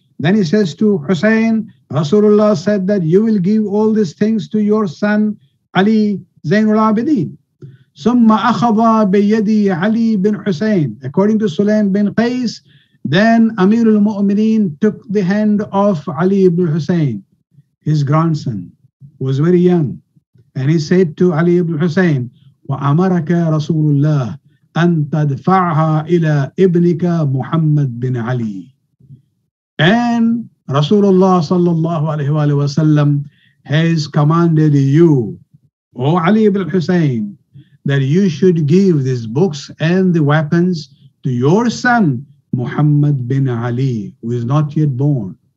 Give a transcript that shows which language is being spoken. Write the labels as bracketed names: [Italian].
[English] Then he says to Hussein, Rasulullah said that you will give all these things to your son, Ali Zain al-Abidin. [Arabic] Summa akhadha biyadi Ali bin Hussein. [English] According to Sulaym bin Qais, then Amir al-Mu'minin took the hand of Ali ibn Hussein, his grandson, who was very young. And he said to Ali ibn Hussein, [Arabic] وَأَمَرَكَ رَسُولُ اللَّهِ أَن تَدْفَعْهَا إِلَىٰ إِبْنِكَ مُحَمَّدْ بِنْ عَلِي. [English] And Rasulullah sallallahu alayhi wa sallam has commanded you, O Ali ibn Hussein, that you should give these books and the weapons to your son, Muhammad bin Ali, who is not yet born.